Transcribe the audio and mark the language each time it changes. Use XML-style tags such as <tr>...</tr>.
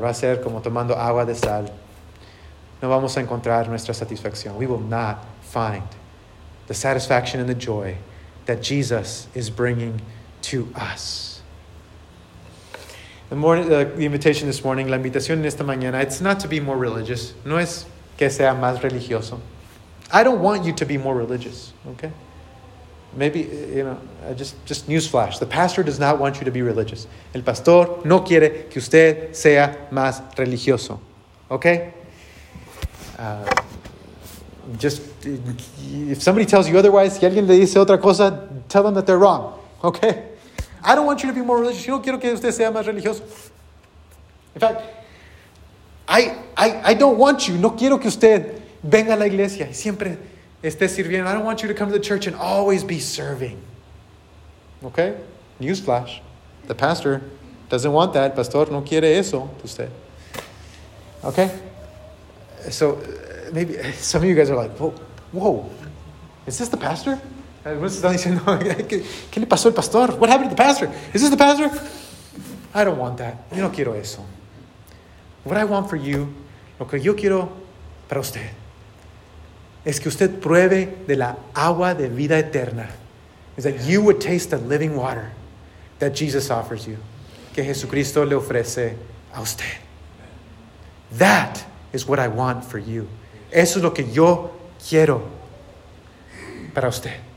<es>Va a ser como tomando agua de sal. No vamos a encontrar nuestra satisfacción.</es> <en>We will not find the satisfaction and the joy that Jesus is bringing to us. The invitation this morning,</en> <es>la invitación en esta mañana,</es> <en>it's not to be more religious.</en> <es>No es que sea más religioso.</es> <en>I don't want you to be more religious, okay? Maybe, you know, just newsflash. The pastor does not want you to be religious.</en> <es>El pastor no quiere que usted sea más religioso, okay?</es> <en>Just if somebody tells you otherwise,</en> <es>si alguien le dice otra cosa,</es> <en>tell them that they're wrong. Okay? I don't want you to be more religious.</en> <es>Yo no quiero que usted sea más religioso.</es> <en>In fact, I don't want you.</en> <es>No quiero que usted venga a la iglesia y siempre esté sirviendo.</es> <en>I don't want you to come to the church and always be serving. Okay? Newsflash. The pastor doesn't want that.</en> <es>Pastor no quiere eso de usted. Okay?</es> <en>So maybe some of you guys are like, whoa, is this the pastor?</en> <es>¿Qué le pasó al pastor?</es> <en>What happened to the pastor? Is this the pastor? I don't want that.</en> <es>Yo no quiero eso.</es> <en>What I want for you,</en> <es>lo que yo quiero para usted, es que usted pruebe de la agua de vida eterna.</es> <en>Is that you would taste the living water that Jesus offers you,</en> <es>que Jesucristo le ofrece a usted.</es> <en>That is what I want for you.</en> <es>Eso es lo que yo quiero para usted.</es>